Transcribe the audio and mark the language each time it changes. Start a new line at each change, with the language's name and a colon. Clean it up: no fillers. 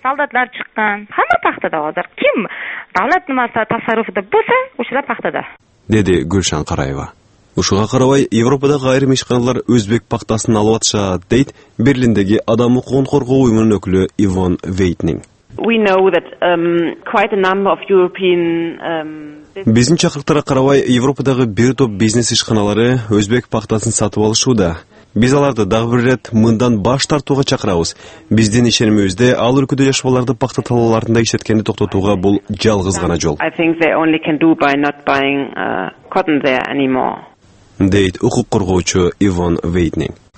Uzbek: Солдаттар чыккан. Хамма пахтада азыр. Ким давлат нымаса тасарруфуда болсо, ушул пахтада.
Kyrgyz: Деди Гүлшан Караева. Ушуга карабай, Европадагы айрым ишканалар өзбек пахтасын алып атышат, дейт Берлиндеги адам укугун коргоо уюмунун өкүлү Иван Вейтнинг.
English: We know that quite a number of European
Kyrgyz: Биздин чакырыктарга карабай, Европадагы бир топ бизнес ишканалары өзбек пахтасын сатып алышууда. Биз аларды дагы бир ирет мындан баш тартууга чакырабыз. Биздин ишенимибизде ал өлкөдө жашоолорду пахта талааларында иштеткенди токтотууга бул жалгыз гана жол.
English: I think they only can do by not buying cotton there anymore.
Kyrgyz: Дейт укук коргоочу Иван Вейтнинг.